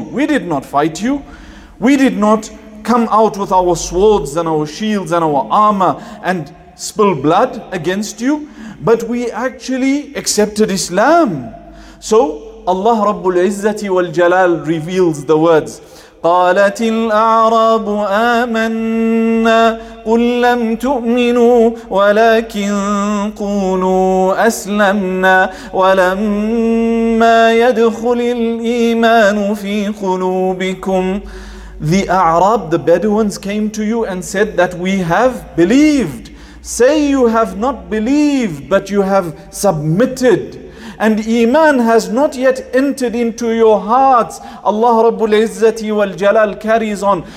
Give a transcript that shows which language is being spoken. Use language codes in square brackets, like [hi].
[en] We did not fight you. We did not come out with our swords and our shields and our armor and spill blood against you. But we actually accepted Islam. So Allah Rabbul Izzati wal Jalal reveals the words. [ar] قالت الأعراب آمنا قل لم تؤمنوا ولكن قولوا أسلمنا ولما يدخل الإيمان في قلوبكم. [en] The Arab, the Bedouins, came to you and said that we have believed. Say you have not believed, but you have submitted. And Iman has not yet entered into your hearts. Allah Rabbul Izzati wal Jalal carries on.